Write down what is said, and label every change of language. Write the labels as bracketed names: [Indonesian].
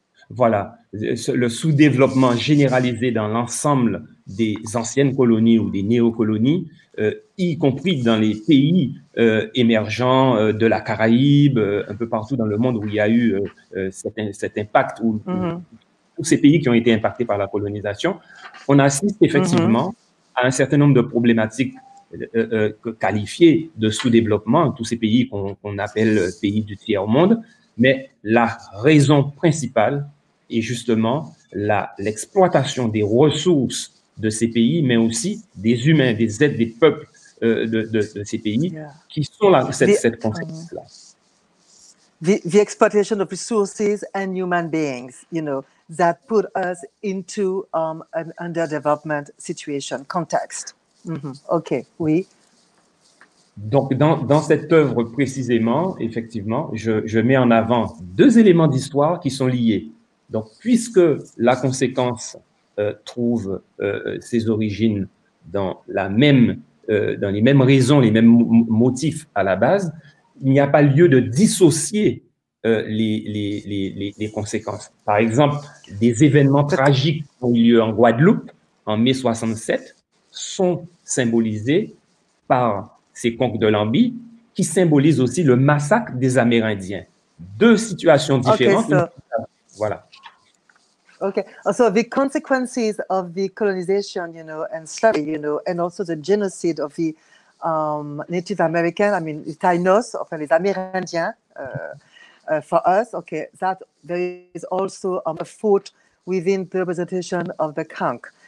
[French] Voilà, le sous-développement généralisé dans l'ensemble des anciennes colonies ou des néocolonies, y compris dans les pays émergents de la Caraïbe, un peu partout dans le monde où il y a eu cet impact, où tous ces pays qui ont été impactés par la colonisation, on assiste effectivement à un certain nombre de problématiques qualifiées de sous-développement, tous ces pays qu'on appelle pays du tiers-monde. Mais la raison principale est justement l'exploitation des ressources de ces pays, mais aussi des humains, des aides, des peuples de ces pays qui sont là, cette conséquence-là. [English] The exploitation of resources and human beings, that put us into an underdevelopment situation, context. [French] OK, oui. Donc, dans cette œuvre précisément, effectivement, je mets en avant deux éléments d'histoire qui sont liés. Donc, puisque la conséquence trouve ses origines dans les mêmes raisons, les mêmes motifs à la base, il n'y a pas lieu de dissocier les conséquences. Par exemple, des événements tragiques qui ont eu lieu en Guadeloupe en mai 67 sont symbolisés par ces conques de Lamby, qui symbolisent aussi le massacre des Amérindiens. Deux situations différentes. Voilà. [English] So the consequences of the colonization, and slavery, and also the genocide of the Native American, I mean, the Taínos, [French] enfin, les Amérindiens, [English] for us, okay, that there is also a fault within the representation of the conch.